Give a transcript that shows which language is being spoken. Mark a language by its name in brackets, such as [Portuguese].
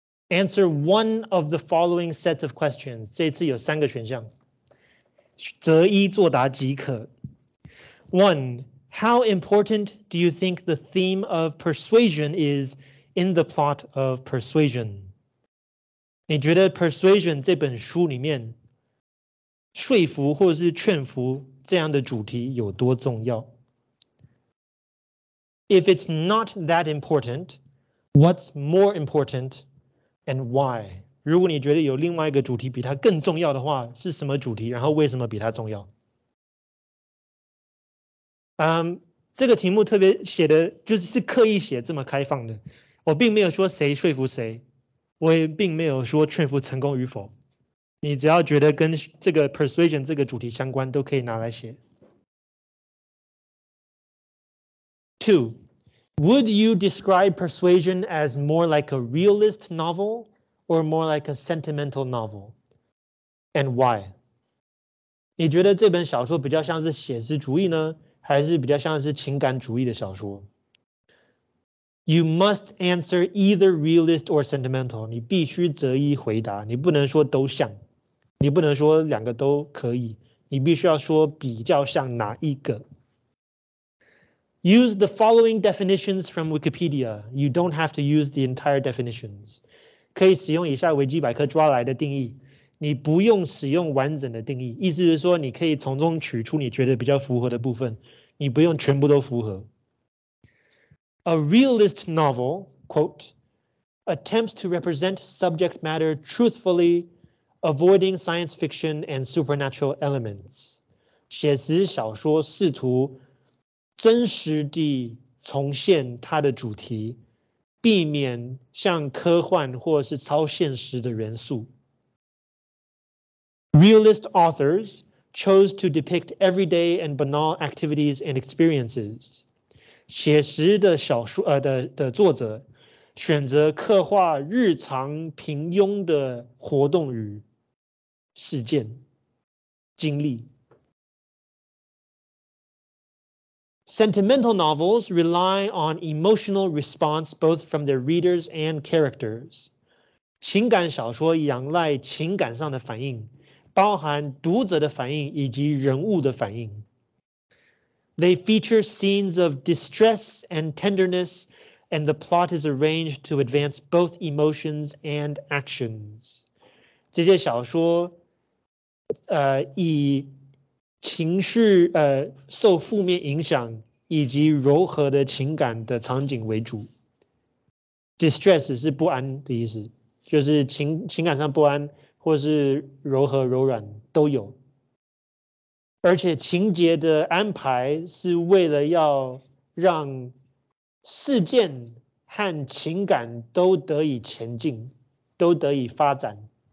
[English] Answer one of the following sets of questions. [Chinese] 这次有三个选项，择一作答即可。 [English] One, how important do you think the theme of persuasion is in the plot of Persuasion? [Chinese] 你觉得 Persuasion 这本书里面说服或者是劝服这样的主题有多重要？ [English] If it's not that important, what's more important? And why? [Chinese] 如果你觉得有另外一个主题比它更重要的话，是什么主题？然后为什么比它重要？这个题目特别写的，就是是刻意写这么开放的。我并没有说谁说服谁，我也并没有说劝服成功与否。你只要觉得跟这个 persuasion 这个主题相关，都可以拿来写。 [English] Two. Would you describe Persuasion as more like a realist novel or more like a sentimental novel? And why? [Chinese] 你觉得这本小说比较像是写实主义呢，还是比较像是情感主义的小说？ [English] You must answer either realist or sentimental. [Chinese] 你必须择一回答，你不能说都像，你不能说两个都可以，你必须要说比较像哪一个。 [English] Use the following definitions from Wikipedia. You don't have to use the entire definitions. [Chinese] 可以使用以下维基百科抓来的定义，你不用使用完整的定义，意思是说你可以从中取出你觉得比较符合的部分，你不用全部都符合。 [English] A realist novel, quote, attempts to represent subject matter truthfully, avoiding science fiction and supernatural elements. [Chinese] 写实小说试图真实地重现它的主题，避免像科幻或是超现实的元素。 [English] Realist authors chose to depict everyday and banal activities and experiences. [Chinese] 写实的小说的作者选择刻画日常平庸的活动与事件经历。 [English] Sentimental novels rely on emotional response both from their readers and characters. [Chinese] 情感小说仰赖情感上的反应，包含读者的反应以及人物的反应。 [English] They feature scenes of distress and tenderness, and the plot is arranged to advance both emotions and actions. [Chinese] 这些小说，以情绪受负面影响以及柔和的情感的场景为主。 Distress 是不安的意思，就是 情感上不安或是柔和柔软都有，而且情节的安排是为了要让事件和情感都得以前进，都得以发展。